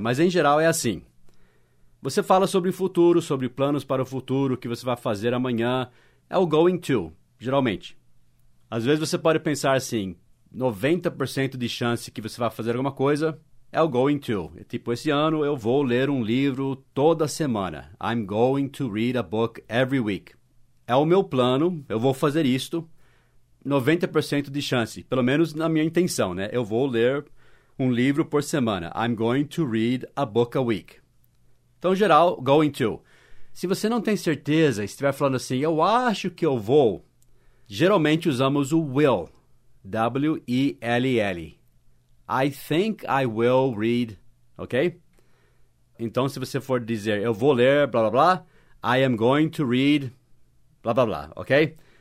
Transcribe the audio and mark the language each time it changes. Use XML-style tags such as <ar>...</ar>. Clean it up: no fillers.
<pt>Mas, em geral, é assim. Você fala sobre o futuro, sobre planos para o futuro, o que você vai fazer amanhã. É o going to, geralmente. Às vezes você pode pensar assim, 90% de chance que você vai fazer alguma coisa é o going to. Tipo, esse ano eu vou ler um livro toda semana.</pt> <en>I'm going to read a book every week.</en> <pt>É o meu plano, eu vou fazer isto. 90% de chance, pelo menos na minha intenção, né? Eu vou ler um livro por semana.</pt> <en>I'm going to read a book a week.</en> <pt>Então, geral, going to. Se você não tem certeza e estiver falando assim, eu acho que eu vou, geralmente usamos o will, W-E-L-L.</pt> <en>I think I will read, ok?</en> <pt>Então, se você for dizer, eu vou ler, blá, blá, blá,</pt> <en>I am going to read,</en> <pt>blá, blá, blá, ok?</pt>